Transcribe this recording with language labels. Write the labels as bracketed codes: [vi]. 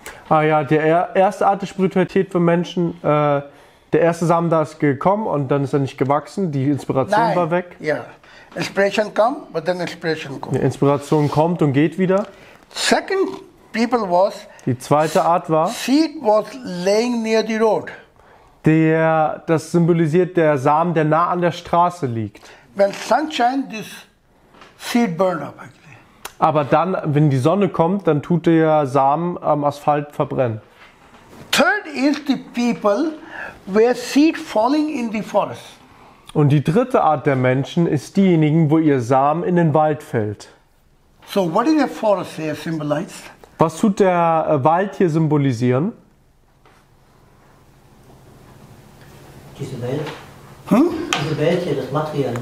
[de] Ah ja, der erste Art der Spiritualität für Menschen, der erste Samen da ist gekommen und dann ist er nicht gewachsen, die Inspiration war weg. [en] Yeah. Inspiration come, but then inspiration come. [de] Die Inspiration kommt und geht wieder. [en] Second people was, [de] die zweite Art war, [en] seed was laying near the road. [de] Das symbolisiert der Samen, der nah an der Straße liegt. [en] When sunshine, this seed burn up actually. [de] Aber dann, wenn die Sonne kommt, dann tut der Samen am Asphalt verbrennen. [en] Third is the people where seed falling in the forest. [de] Und die dritte Art der Menschen ist diejenigen, wo ihr Samen in den Wald fällt. [en] So what is the forest here symbolized? [de] Was tut der Wald hier symbolisieren? Diese Welt. Hm? Diese Welt hier, das Material.